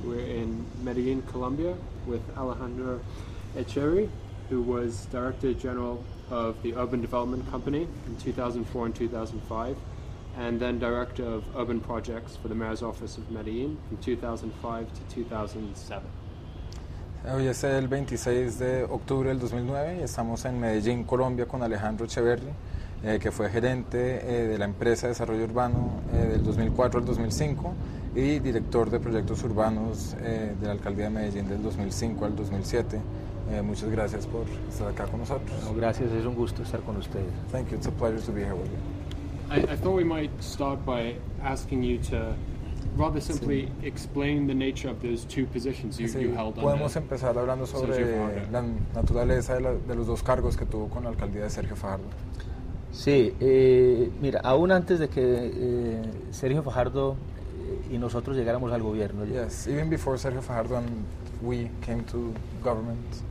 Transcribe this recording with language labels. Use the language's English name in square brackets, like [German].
[English] We're in Medellin, Colombia, with Alejandro Echeverri, who was Director General of the Urban Development Company in 2004 and 2005, and then Director of Urban Projects for the Mayor's Office of Medellin from 2005 to 2007. [Spanish] Hoy es el 26 de octubre del 2009 y estamos en Medellín, Colombia, con Alejandro Echeverri, que fue gerente de la empresa de desarrollo urbano del 2004 al 2005 y director de proyectos urbanos de la alcaldía de Medellín del 2005 al 2007. Muchas gracias por estar acá con nosotros. No, gracias, es un gusto estar con ustedes. [English] Thank you, it's a pleasure to be here with you. I thought we might start by asking you to rather simply explain the nature of those two positions you held. [Spanish] Podemos empezar hablando sobre la naturaleza de los dos cargos que tuvo con la alcaldía de Sergio Fajardo. Sí, mira, aún antes de que Sergio Fajardo y nosotros llegáramos al gobierno. [English] Yes, even before Sergio Fajardo and we came to government.